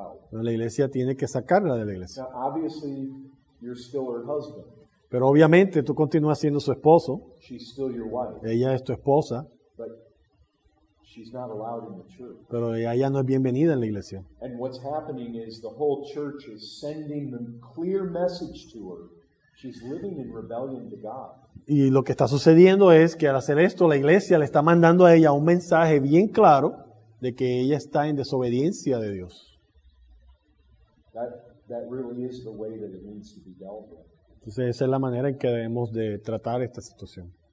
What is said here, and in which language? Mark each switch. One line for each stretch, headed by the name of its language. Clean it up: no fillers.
Spanish: la iglesia tiene que sacarla de la iglesia.
English: Now, you're still her husband.
Spanish: Pero obviamente tú continúas siendo su esposo.
English: She's still your wife.
Spanish: Ella es tu esposa.
English: But she's not allowed in the church.
Spanish: Pero ella no es bienvenida en la iglesia.
English: And what's happening is the whole church is sending the clear message to her. She's living in rebellion to God.
Spanish: Y lo que está sucediendo es que al hacer esto, la iglesia le está mandando a ella un mensaje bien claro de que ella está en desobediencia de Dios.
English: That really is the way that it needs to be dealt with.
Spanish: Entonces esa es la manera en que debemos de tratar esta situación.